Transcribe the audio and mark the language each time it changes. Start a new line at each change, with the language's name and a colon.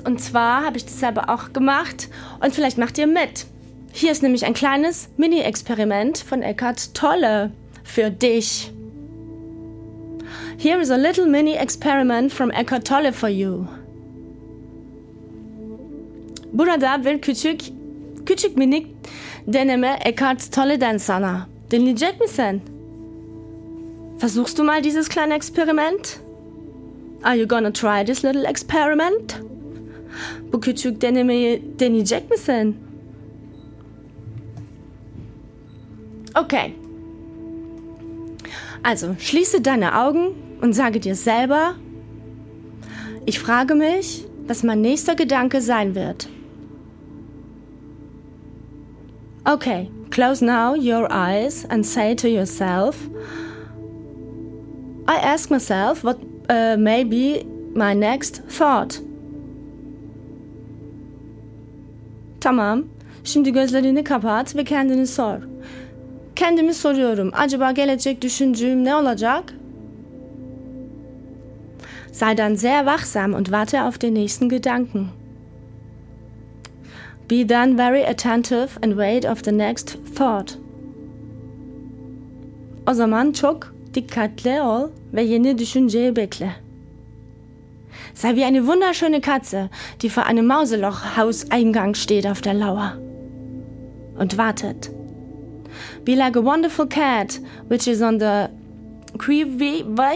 German: Und zwar habe ich das selber auch gemacht. Und vielleicht macht ihr mit. Hier ist nämlich ein kleines Mini-Experiment von Eckhart Tolle für dich.
English: Here is a little mini-experiment from Eckhart Tolle for you.
Turkish: Burada bir küçük minik deneme Eckhart Tolle'den sana. Dinleyecek misin?
German: Versuchst du mal dieses kleine Experiment?
English: Are you gonna try this little experiment?
Turkish: Bu küçük denemeyi deneyecek misin?
English: Okay.
German: Also, schließe deine Augen und sage dir selber, ich frage mich, was mein nächster Gedanke sein wird.
English: Okay, close now your eyes and say to yourself, I ask myself what may be my next thought.
Turkish: Tamam, şimdi gözlerini kapat ve kendini sor. Kendimi soruyorum, acaba gelecek düşüncem ne olacak?
German: Sei dann sehr wachsam und warte auf den nächsten Gedanken.
English: Be then very attentive and wait of the next thought.
Turkish: O zaman çok dikkatli ol ve yeni düşünceyi bekle.
German: Sei wie eine wunderschöne Katze, die vor einem Mauselochhauseingang steht auf der Lauer und wartet.
English: Be like a wonderful cat, which is on the quiweef.